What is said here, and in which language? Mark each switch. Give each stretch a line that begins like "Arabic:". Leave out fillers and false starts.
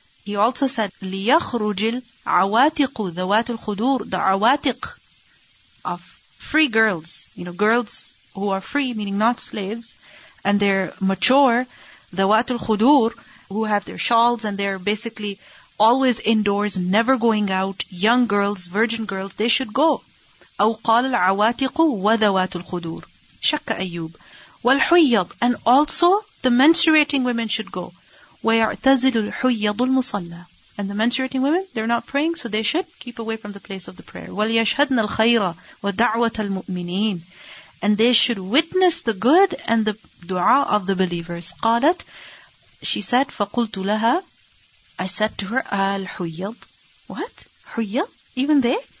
English: He also said,
Arabic: liyakhrujil awatiqu, dhawatul khudur,
English: the awatiq of free girls, you know, girls who are free, meaning not slaves, and they're mature,
Arabic: ذوات الخدور,
English: who have their shawls and they're basically always indoors, never going out, young girls, virgin girls, they should go.
Arabic: أو قال العواتق وذوات الخدور شك أيوب والحيض,
English: and also the menstruating women should go.
Arabic: ويعتزل الحيض المصلى,
English: and the menstruating women, they're not praying, so they should keep away from the place of the prayer.
Arabic: وليشهدن الخير ودعوة المؤمنين,
English: and they should witness the good and the dua of the believers.
Arabic: قالت,
English: she said,
Arabic: فقلت لها,
English: I said to her,
Arabic: الحيض.
English: What?
Arabic: حيض?
English: Even they?